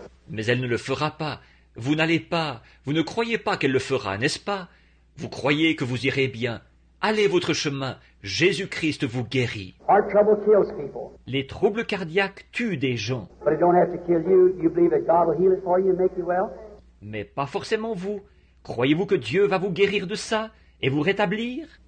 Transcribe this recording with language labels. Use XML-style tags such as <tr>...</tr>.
<fr>Mais elle ne le fera pas. Vous n'allez pas, vous ne croyez pas qu'elle le fera, n'est-ce pas? Vous croyez que vous irez bien. Allez votre chemin, Jésus-Christ vous guérit.</fr> <en>Heart trouble kills people.</en> <fr>Les troubles cardiaques tuent des gens.</fr> <en>But it don't have to kill you. You believe that God will heal it for you and make you well?</en> <fr>Mais pas forcément vous. Croyez-vous que Dieu va vous guérir de ça et vous rétablir?</fr>